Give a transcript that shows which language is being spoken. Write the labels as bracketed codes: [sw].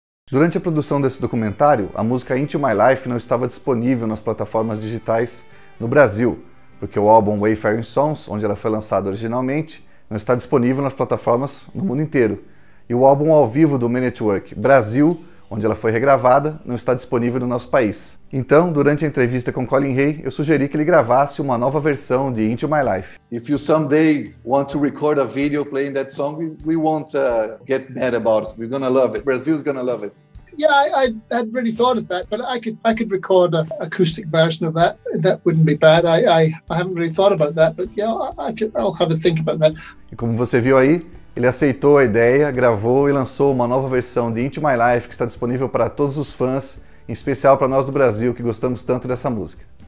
[pt] Durante a produção desse documentário, a música Into My Life não estava disponível nas plataformas digitais no Brasil, porque o álbum Wayfarings Sons, onde ela foi lançada originalmente, não está disponível nas plataformas no mundo inteiro. E o álbum ao vivo do Man at Work, Brasil, onde ela foi regravada, não está disponível no nosso país. Então, durante a entrevista com Colin Hay, eu sugeri que ele gravasse uma nova versão de Into My Life. [en] If you someday want to record a video playing that song, we won't get mad about it. We're gonna love it. Brazil's gonna love it. Yeah, I hadn't really thought of that, but I could record an acoustic version of that. That wouldn't be bad. I haven't really thought about that, but yeah, I'll have a think about that. [pt] E como você viu aí, ele aceitou a ideia, gravou e lançou uma nova versão de Into My Life que está disponível para todos os fãs, em especial para nós do Brasil, que gostamos tanto dessa música.